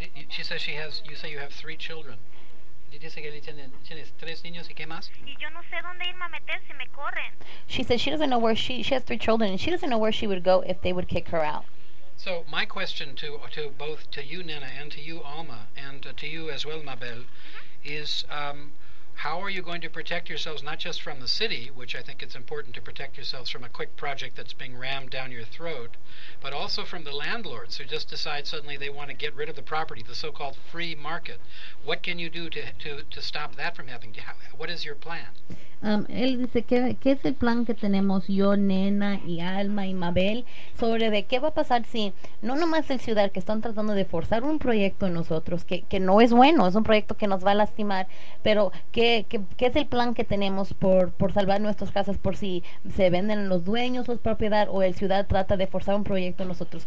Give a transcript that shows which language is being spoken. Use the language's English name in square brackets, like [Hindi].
[English] She says she has, you say you have three children. [Spanish] Dice que tienes tres niños y qué más. Y yo no sé dónde irme a meter si me corren. [English] She says she doesn't know where she has three children and she doesn't know where she would go if they would kick her out. So my question to both to you, Nena, and to you, Alma, and to you as well, Mabel, mm-hmm. is how are you going to protect yourselves, not just from the city, which I think it's important to protect yourselves from a quick project that's being rammed down your throat, but also from the landlords who just decide suddenly they want to get rid of the property, the so-called free market? What can you do to stop that from happening? What is your plan? [Spanish] Él dice, ¿qué es el plan que tenemos yo, Nena, y Alma, y Mabel, sobre de qué va a pasar si no nomás el ciudad que están tratando de forzar un proyecto en nosotros, que no es bueno, es un proyecto que nos va a lastimar, pero qué es el plan que tenemos por salvar nuestras casas, por si se venden los dueños o propiedad, o el ciudad trata de forzar un proyecto en nosotros.